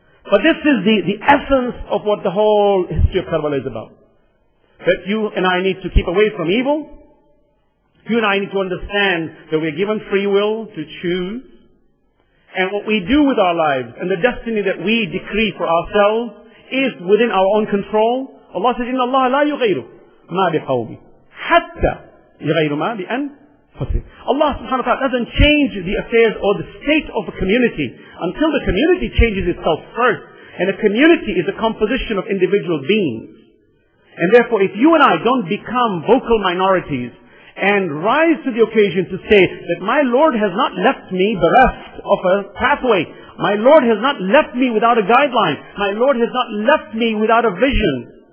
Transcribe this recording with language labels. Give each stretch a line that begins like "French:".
English: But this is the essence of what the whole history of Karbala is about. That you and I need to keep away from evil. You and I need to understand that we are given free will to choose. And what we do with our lives and the destiny that we decree for ourselves is within our own control. Allah says,
Arabic: إِنَّ اللَّهَ لَا يُغَيْرُ مَا بِقَوْمِ حَتَّى يُغَيْرُ مَا بِأَنفُسِ.
English: Allah subhanahu wa ta'ala doesn't change the affairs or the state of a community until the community changes itself first. And a community is a composition of individual beings. And therefore, if you and I don't become vocal minorities and rise to the occasion to say that my Lord has not left me bereft of a pathway, my Lord has not left me without a guideline, my Lord has not left me without a vision.